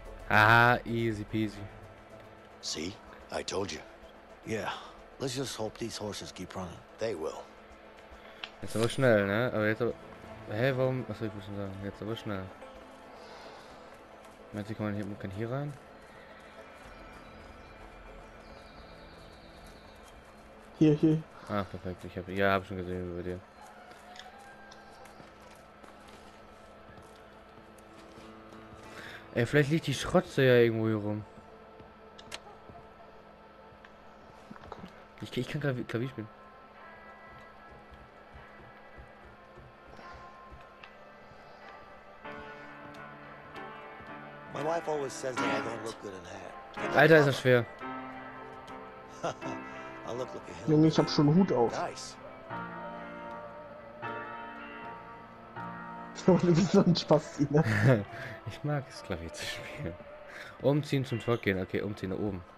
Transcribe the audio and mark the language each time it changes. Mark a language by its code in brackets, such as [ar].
[en] Ah, easy peasy. See, I told you. Yeah, let's just hope these horses keep running. They will. [de] Jetzt aber schnell, ne? Aber jetzt aber... Hä, warum? Achso, ich muss schon sagen. Jetzt aber schnell. Meinst du, kann hier rein? Hier. Ach, perfekt. Ich hab schon gesehen über dir. Ey, vielleicht liegt die Schrotze ja irgendwo hier rum. Ich kann Klavier spielen. [en] My wife always says that I don't look good in hair. [de] Alter, ist das schwer. Junge, ich hab schon Hut auf. Du bist so ein Spasti, ne? Ich mag es, Klavier zu spielen. Umziehen zum Truck gehen. Okay, umziehen nach oben.